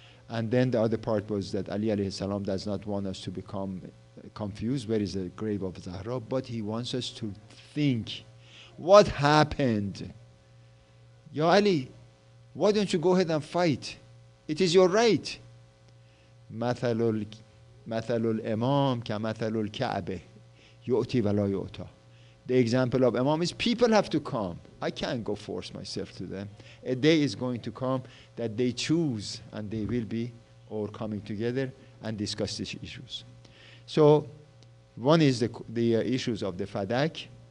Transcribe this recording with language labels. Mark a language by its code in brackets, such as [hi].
[en] And then the other part was that Ali [ar] عليه السلام [en] does not want us to become confused, where is the grave of Zahra, but he wants us to think, what happened? Ya Ali, why don't you go ahead and fight? It is your right. [ar] مثل الإمام كمثل الكعبة يؤتي ولا يؤتى. [en] the example of Imam is people have to come. I can't go force myself to them. A day is going to come that they choose and they will be all coming together and discuss these issues. So one is the issues of the Fadak.